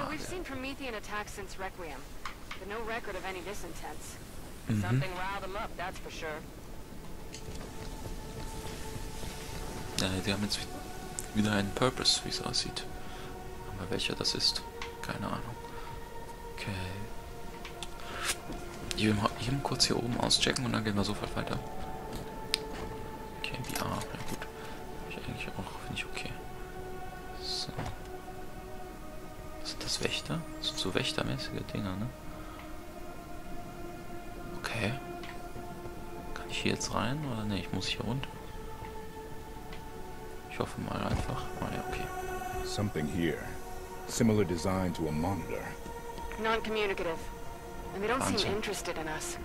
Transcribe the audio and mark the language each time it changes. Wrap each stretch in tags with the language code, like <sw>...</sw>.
<en>You know, we've seen Promethean attacks since Requiem, but no record of any this intense. Something riled them up, that's for sure.</en> <de>Ja, die haben jetzt wieder einen Purpose, wie es aussieht. Aber welcher das ist, keine Ahnung. Okay. Ich will mal eben kurz hier oben auschecken und dann gehen wir sofort weiter. Okay, VR, na gut. Hab ich eigentlich auch, finde ich okay. So. Sind das Wächter? Das sind so wächtermäßige Dinger, ne? Okay. Kann ich hier jetzt rein oder ne? Ich muss hier runter. Ich hoffe mal einfach. Oh ja, okay.</de> <en>Something here. Similar design to a monitor. Non-communicative. And they don't seem interested in us.</en>